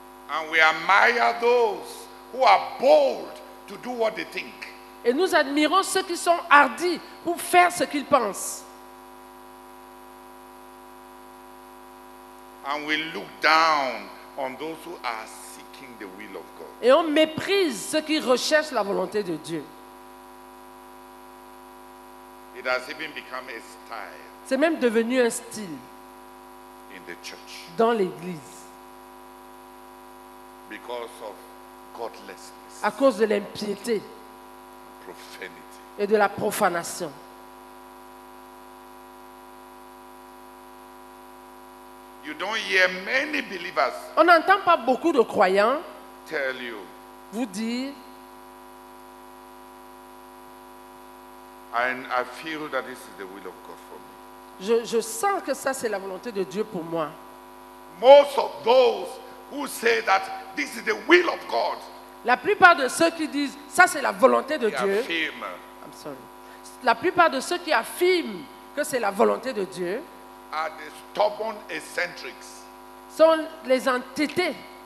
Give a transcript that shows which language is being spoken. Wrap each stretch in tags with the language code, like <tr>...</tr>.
<en>And we admire those who are bold to do what they think.</en> <fr>Et nous admirons ceux qui sont hardis pour faire ce qu'ils pensent.</fr> <en>And we look down on those who are seeking the will of God.</en> <fr>Et on méprise ceux qui recherchent la volonté de Dieu.</fr> <en>It has even become a style.</en> <fr>C'est même devenu un style</fr> <en>in the church,</en> <fr>dans l'église,</fr> <en>because of godlessness,</en> <fr>à cause de l'impiété</fr> <en>profanity,</en> <fr>et de la profanation.</fr> <en>You don't hear many believers.</en> <fr>On n'entend pas beaucoup de croyants.</fr> <en>Tell you.</en> <fr>Vous dire.</fr> <en>And I feel that this is the will of God for me.</en> <fr>Je sens que ça c'est la volonté de Dieu pour moi.</fr> <en>Most of those who say that this is the will of God.</en> <fr>La plupart de ceux qui disent ça c'est la volonté de Dieu.</fr> <en>I'm sorry.</en> <fr>La plupart de ceux qui affirment que c'est la volonté de Dieu</fr> <en>are the stubborn eccentrics.</en> <fr>Sont les entêtés.</fr>